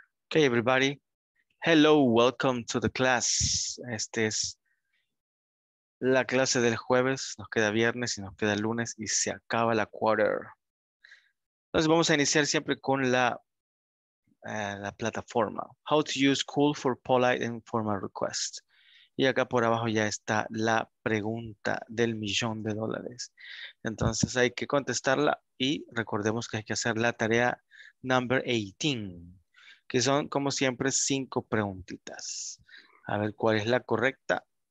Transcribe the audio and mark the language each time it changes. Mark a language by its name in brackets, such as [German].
[English] Hey everybody, hello, welcome to the class. [Spanish] Este es la clase del jueves, nos queda viernes y nos queda lunes y se acaba la quarter. Entonces vamos a iniciar siempre con la plataforma. [English] How to use cool for polite and formal requests. [Spanish] Y acá por abajo ya está la pregunta del millón de dólares. Entonces hay que contestarla y recordemos que hay que hacer la tarea number 18. Que son, como siempre, 5 preguntitas. A ver cuál es la correcta.